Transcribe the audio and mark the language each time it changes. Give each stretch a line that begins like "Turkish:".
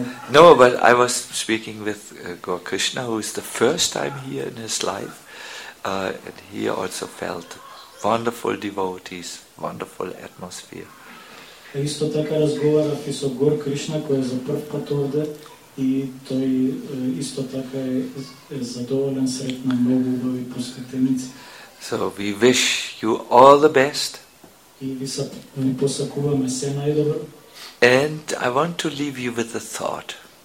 English: No, but I was speaking with Gaur Krishna, who is the first time here in his life, and he also felt wonderful devotees, wonderful atmosphere.
Macedonian: Исто така разговарав и со Гор Кришна, кој е за прв пат овде, и тој исто така е задоволен, сретен, многу убави посветеници.
English: So we wish you all the best.
Macedonian: И ви посакуваме се најдобро.
English: And I want to leave you with a thought.